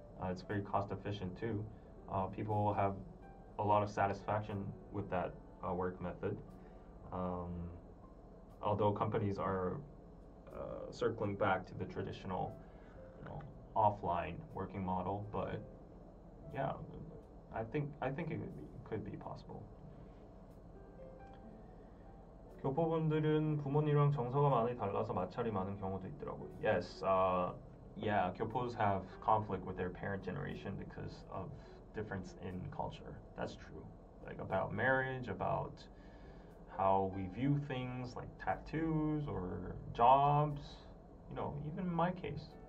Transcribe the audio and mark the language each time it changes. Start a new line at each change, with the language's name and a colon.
English: It's very cost efficient too. People have a lot of satisfaction with that work method. Although companies are circling back to the traditional, you know, offline working model, but yeah, I think it could be possible.
Korean: 교포분들은 부모님이랑 정서가 많이 달라서 마찰이 많은 경우도 있더라고요.
English: Yes, yeah, 교포s have conflict with their parent generation because of difference in culture. That's true. Like, about marriage, about how we view things like tattoos or jobs, you know, even in my case.